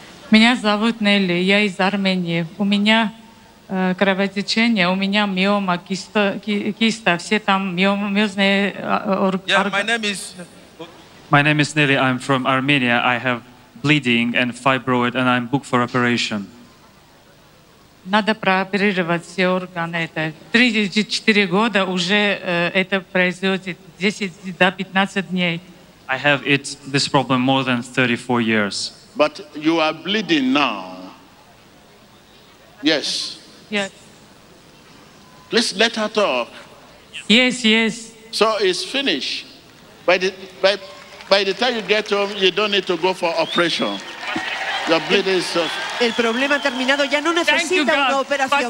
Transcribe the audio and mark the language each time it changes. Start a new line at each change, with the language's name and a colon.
Russian: Меня зовут Нелли, я из Армении. У меня кровотечение, у меня миома, киста, все там мёзные органы.
English: My name is Nelly, I'm from Armenia. I have bleeding and fibroid and I'm booked for operation.
Russian: Надо прооперировать все органы. Это 3-4 года уже это произойдет. 10 до 15 дней.
English: I have it this problem more than 34 years. But you are bleeding now. Yes. Yes. Please let her talk. Yes, yes. So it's finished. By the time you get home, you don't need to go for operation. Your bleeding is off.
Spanish: El problema terminado ya no necesita una operación.